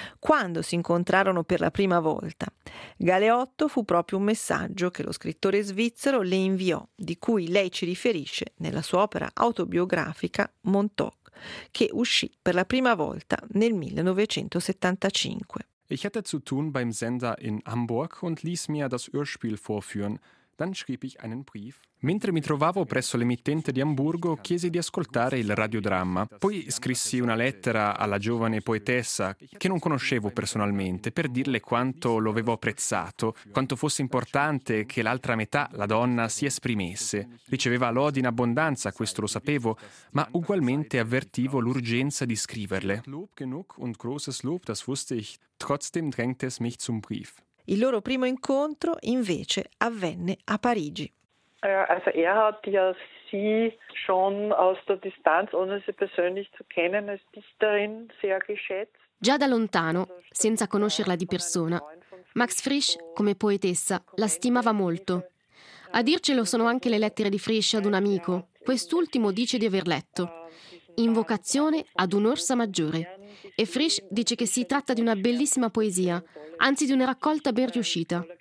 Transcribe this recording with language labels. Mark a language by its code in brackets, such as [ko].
[it] Quando si incontrarono per la prima volta? Galeotto fu proprio un messaggio che lo scrittore svizzero le inviò, di cui lei ci riferisce nella sua opera autobiografica Montauk, che uscì per la prima volta nel 1975. [de] Ich hatte zu tun beim Sender in Hamburg und ließ mir das Hörspiel vorführen. Dann schrieb ich einen Brief. [it] Mentre mi trovavo presso l'emittente di Amburgo, chiesi di ascoltare il radiodramma. Poi scrissi una lettera alla giovane poetessa, che non conoscevo personalmente, per dirle quanto lo avevo apprezzato, quanto fosse importante che l'altra metà, la donna, si esprimesse. Riceveva lodi in abbondanza, questo lo sapevo, ma ugualmente avvertivo l'urgenza di scriverle. [de] Lob genug und großes Lob, das wusste ich. Trotzdem drängte es mich zum Brief. [it] Il loro primo incontro, invece, avvenne a Parigi. [de] Also hat ja sie schon aus der Distanz, ohne sie persönlich zu kennen, als Dichterin sehr geschätzt. [it] Già da lontano, senza conoscerla di persona, Max Frisch, come poetessa, la stimava molto. A dircelo sono anche le lettere di Frisch ad un amico. Quest'ultimo dice di aver letto Invocazione ad un'orsa maggiore. E Frisch dice che si tratta di una bellissima poesia, anzi di una raccolta ben riuscita.